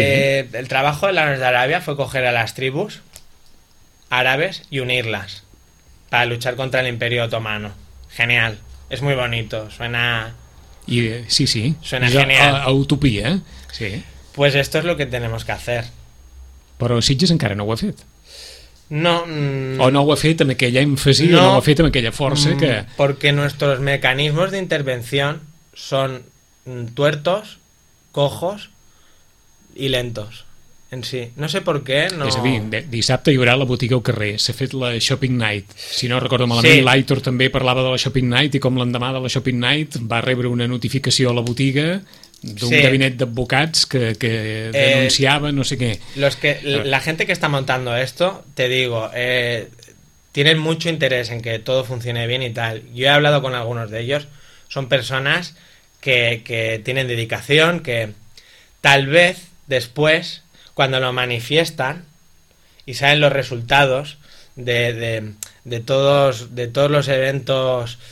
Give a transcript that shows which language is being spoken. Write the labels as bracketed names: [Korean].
[Spanish] El trabajo de Lawrence de Arabia fue coger a las tribus árabes y unirlas para luchar contra el Imperio Otomano. Genial. Es muy bonito. Suena... Y, sí, sí. Suena genial. A utopía, sí. Pues esto es lo que tenemos que hacer. [Catalan] Però Sitges encara no ho ha fet. No. O no ho ha fet amb aquella èmfasi, no, o no ho ha fet amb aquella força que... [Spanish] Porque nuestros mecanismos de intervención son tuertos, cojos y lentos en sí. No sé por qué no... [Catalan] És a dir, dissabte hi haurà la botiga al carrer. S'ha fet la Shopping Night. Si no recordo malament, sí, l'Aitor també parlava de la Shopping Night i com l'endemà de la Shopping Night va rebre una notificació a la botiga... d'un, sí, gabinet d'advocats que denunciava, no sé què. [Spanish] La gente que está montando esto, te digo, tienen mucho interés en que todo funcione bien y tal. Yo he hablado con algunos de ellos, son personas que tienen dedicación, que tal vez después, cuando lo manifiestan y saben los resultados de todos los eventos